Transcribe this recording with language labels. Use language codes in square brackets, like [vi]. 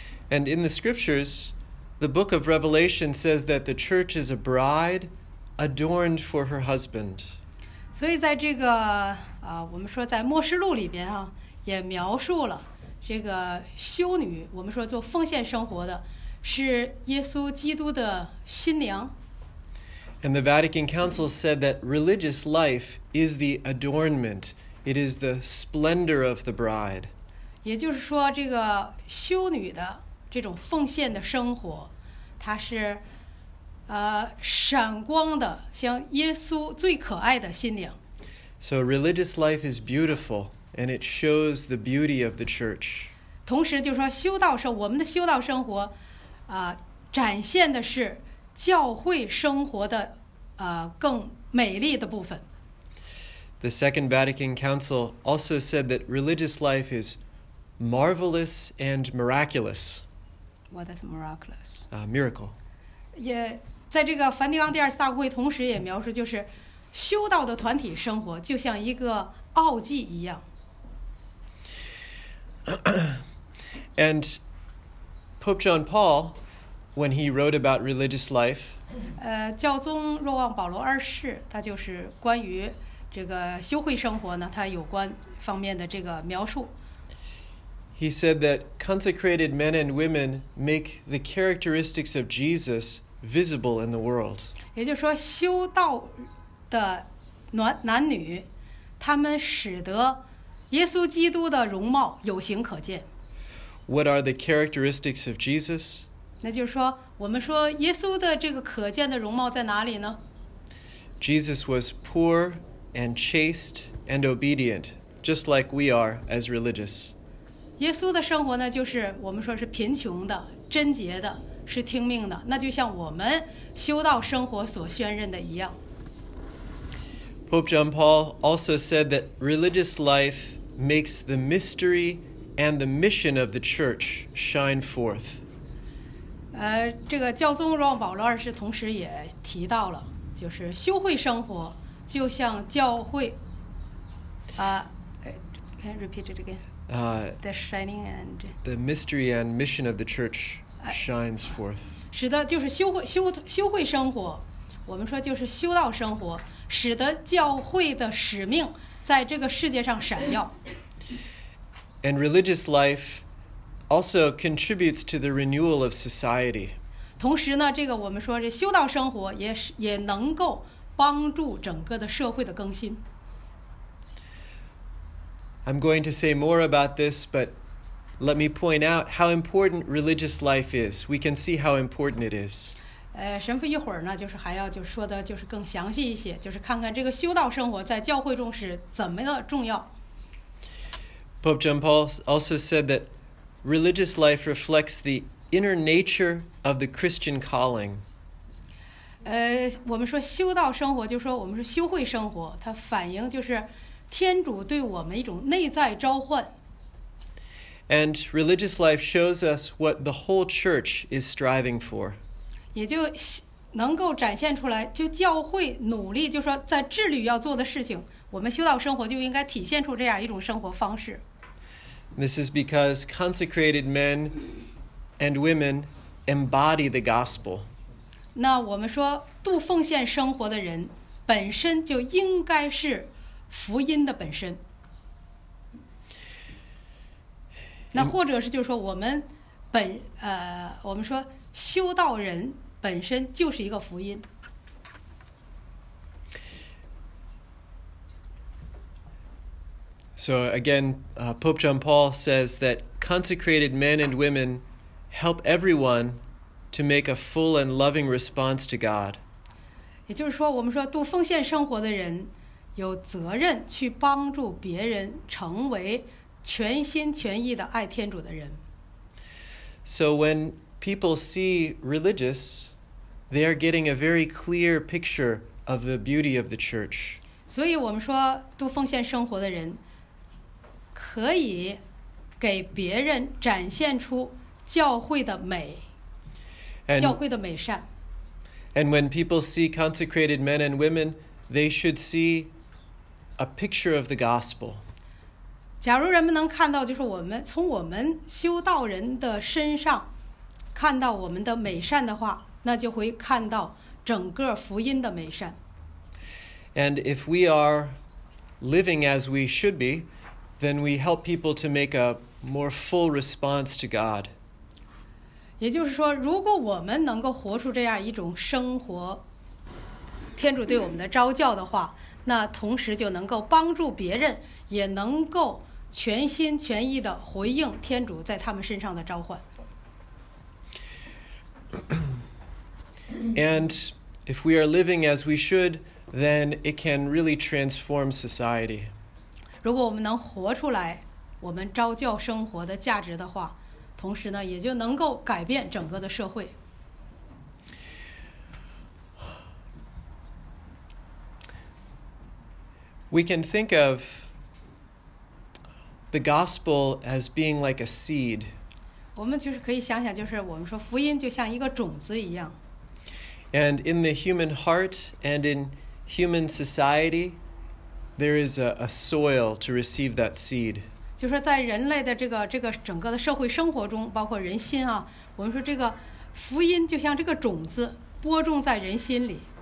[en] And in the scriptures, the book of Revelation says that the church is a bride adorned for her husband. [zh] 所以在这个、我们说在末世录里边、也描述了这个修女，我们说做奉献生活的是耶稣基督的新娘。 [en] And the Vatican Council said that religious life is the adornment. It is the splendor of the bride. [zh] 也就是说这个修女的这种奉献的生活，它是，闪光的，像耶稣最可爱的新娘。 [en] So religious life is beautiful, and it shows the beauty of the church. [zh] 同时，就是说修道生，我们的修道生活，展现的是教会生活的，更美丽的部分。 [en] The Second Vatican Council also said that religious life is marvelous and miraculous. What is miraculous? Miracle. [zh] 也在这个梵蒂冈第二次大公会同时也描述，就是修道的团体生活就像一个奥迹一样。 [en] And Pope John Paul, when he wrote about religious life, [zh] 教宗若望保罗二世，他就是关于这个修会生活呢，他有关方面的这个描述。 [en] He said that consecrated men and women make the characteristics of Jesus visible in the world. [zh] 也就是说，修道的男女，他们使得耶稣基督的容貌有形可见。 [en] What are the characteristics of Jesus? [zh] 那就是说，我们说耶稣的这个可见的容貌在哪里呢？ [en] Jesus was poor and chaste and obedient, just like we are as religious. [zh] 耶稣的生活呢，就是我们说是贫穷的、贞洁的、是听命的，那就像我们修道生活所宣认的一样。 [en] Pope John Paul also said that religious life makes the mystery and the mission of the church shine forth. [zh] 这个教宗若望保罗二世同时也提到了，就是修会生活就像教会 [en] can you repeat it again? The shining and the mystery and mission of the church shines forth. [zh] 使得就是修会生活，我们说就是修道生活，使得教会的使命在这个世界上闪耀。 [en] And religious life also contributes to the renewal of society. [zh] 同时呢，这个我们说这修道生活也能够帮助整个的社会的更新。 [en] I'm going to say more about this, but let me point out how important religious life is. We can see how important it is. [zh] 神父一会儿呢，就是还要就说的就是更详细一些，就是看看这个修道生活在教会中是怎么的重要。 [en] Pope John Paul also said that religious life reflects the inner nature of the Christian calling. [zh] 我们说修道生活，就说我们是修会生活，它反映就是天主对我们一种内在召唤。 [en] And religious life shows us what the whole church is striving for. [zh] 也就能够展现出来，就教会努力，就说在治理要做的事情，我们修道生活就应该体现出这样一种生活方式。 [en] This is because consecrated men and women embody the gospel. [zh] 那我们说度奉献生活的人本身就应该是福音的本身。那或者是就是说我们本我们说修道人本身就是一个福音。 [en] So again, Pope John Paul says that consecrated men and women help everyone to make a full and loving response to God. [zh] 也就是说，我们说度奉献生活的人有责任去帮助别人成为全心全意的爱天主的人。 [en] So when people see religious, they are getting a very clear picture of the beauty of the church. [zh] 所以我们说度奉献生活的人可以给别人展现出教会的美，教会的美善。 [en] And when people see consecrated men and women, they should see a picture of the gospel. [zh] 假如人们能看到，就是我们从我们修道人的身上看到我们的美善的话，那就会看到整个福音的美善。 [en] And if we are living as we should be,then we help people to make a more full response to God. [zh] 也就是说，如果我们能够活出这样一种生活，天主对我们的召教的话，那同时就能够帮助别人，也能够全心全意地回应天主在他们身上的召唤。 [en] And if we are living as we should, then it can really transform society. [zh] 如果我们能活出来我们召教生活的价值的话，同时呢，也就能够改变整个的社会。 [en] We can think of the gospel as being like a seed. [zh] 我们就是可以想想，就是我们说福音就像一个种子一样。 [en] And in the human heart and in human society,There is a soil to receive that seed. [zh] 就说在人类的这个整个的社会生活中，包括人心啊，我们说这个福音就像这个种子播种在人心里。